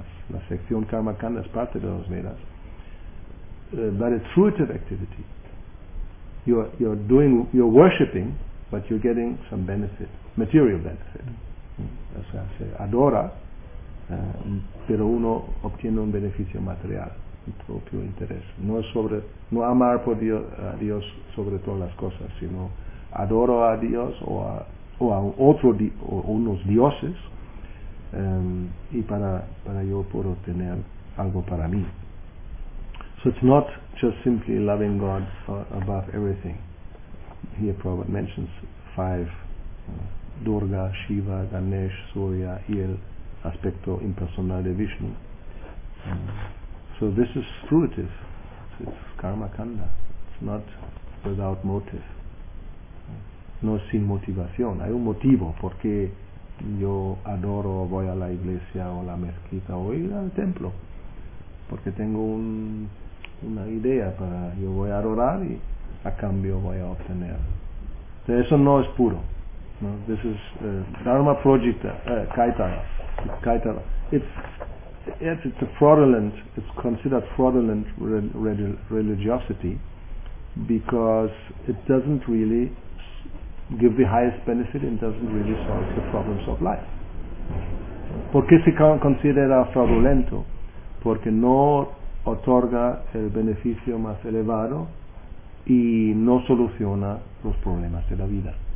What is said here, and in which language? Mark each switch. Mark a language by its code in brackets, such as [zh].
[es] La sección Karma Kanda es parte de los Vedas. [en] But it's fruitive activity. You're worshipping, but you're getting some benefit, material benefit. [es] O sea, se adora, pero uno obtiene un beneficio material, un propio interés. No es sobre, no amar por Dios, a Dios sobre todas las cosas, sino adoro a Dios o a unos dioses, y para yo poder obtener algo para mí. [en] So it's not just simply loving God above everything. Here Prabhupada mentions five, [es] Durga, Shiva, Ganesh, Surya, y el aspecto impersonal de Vishnu. [en] So this is fruitive. It's karma kanda. It's not without motive. [es] No sin motivación. Hay un motivo por qué yo adoro, voy a la iglesia o la mezquita o ir al templo. Porque tengo una idea para, yo voy a adorar y a cambio voy a obtener. Eso no es puro. No, [en] this is [es] Dharma Projita, Kaitara. [en] It's a fraudulent, it's considered fraudulent religiosity because it doesn't really give the highest benefit and doesn't really solve the problems of life. [es] ¿Por qué se considera fraudulento? Porque no otorga el beneficio más elevado y no soluciona los problemas de la vida.